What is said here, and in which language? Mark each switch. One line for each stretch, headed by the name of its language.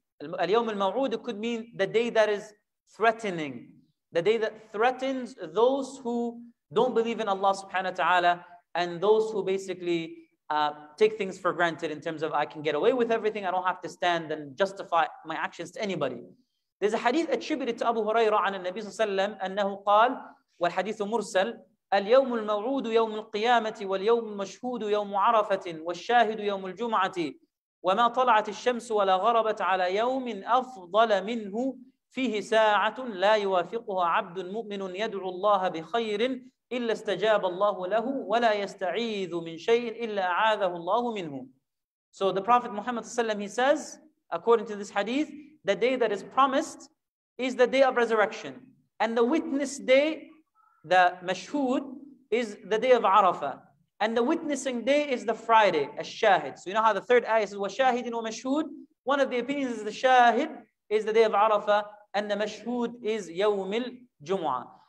Arabic: Al-yawm al-maw'ud,
English: it could mean the day that is threatening, the day that threatens those who don't believe in Allah subhanahu wa ta'ala, and those who basically take things for granted in terms of I can get away with everything, I don't have to stand and justify my actions to anybody. There's a hadith attributed to Abu Huraira
Arabic: an al-Nabi sallallahu alayhi wa sallam, annahu qal, wal hadithu mursal, اليوم الموعود يوم القيامة واليوم المشهود يوم عرفة والشاهد يوم الجمعة وما طلعت الشمس ولا غربت على يوم أفضل منه فيه ساعة لا يوافقها عبد مؤمن يدعو الله بخير إلا استجاب الله له ولا يستعيذ من شيء إلا أعاذه الله منه
English: So the Prophet Muhammad ﷺ, he says, according to this hadith, the day that is promised is the day of resurrection. And the witness day, the mashhud, is the day of Arafah. And the witnessing day is the Friday, al-shahid. So you know how the third ayah says,
Arabic: وَشَاهِدٍ وَمَشْهُود?
English: One of the opinions is the shahid is the day of Arafah, and the mashhud is
Arabic: يوم الجمعة.